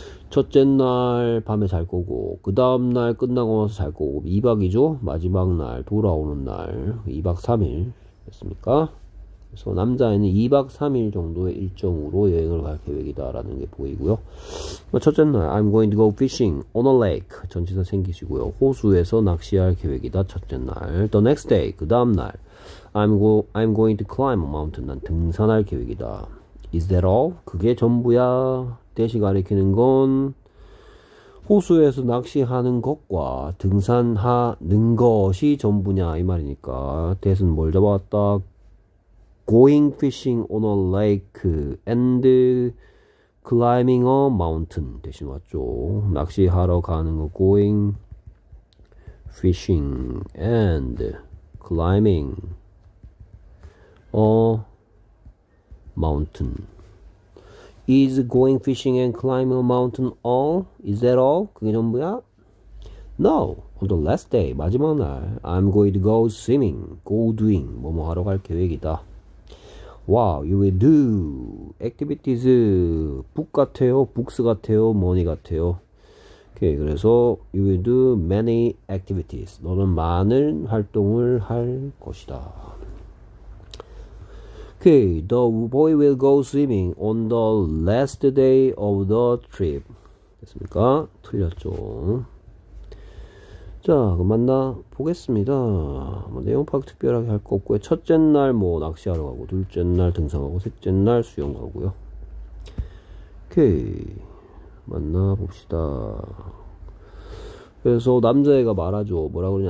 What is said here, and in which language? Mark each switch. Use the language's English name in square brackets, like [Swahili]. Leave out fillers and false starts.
[Korean] 첫째 날 밤에 잘 거고 그 다음 날 끝나고 나서 잘 거고 2박이죠. 마지막 날 돌아오는 날 2박 3일 됐습니까? 그래서 남자애는 2박 3일 정도의 일정으로 여행을 갈 계획이다라는 게 보이고요. 첫째 날, [English] I'm going to go fishing on a lake. [Korean] 전치사 생기시고요. 호수에서 낚시할 계획이다, 첫째 날. [English] The next day, [Korean] 그 다음 날, [English] I'm going to climb a mountain. [Korean] 난 등산할 계획이다. [English] Is that all? [Korean] 그게 전부야. 대시 가리키는 건 호수에서 낚시하는 것과 등산하는 것이 전부냐, 이 말이니까. 대신 뭘 잡아왔다? [English] Going fishing on a lake and climbing a mountain [Korean] 대신 왔죠. 낚시하러 가는 거 [English] going fishing and climbing a mountain. Is going fishing and climbing a mountain all? Is that all? [Korean] 그게 전부야? [English] No. On the last day, [Korean] 마지막 날, [English] I'm going to go swimming. Go doing. [Korean] 뭐뭐 하러 갈 계획이다. [English] Wow, you will do activities. [Korean] Book 같아요, books 같아요, money 같아요. [English] Okay, [Korean] 그래서 [English] you will do many activities. [Korean] 너는 많은 활동을 할 것이다. [English] Okay, the boy will go swimming on the last day of the trip. [Korean] 됐습니까? 틀렸죠. 자, 그럼 만나보겠습니다. 뭐, 내용 파악 특별하게 할거 없고요. 첫째 날 뭐 낚시하러 가고, 둘째 날 등산하고, 셋째 날 수영 가고요. 오케이, 만나봅시다. 그래서 남자애가 말하죠. 뭐라 그러냐.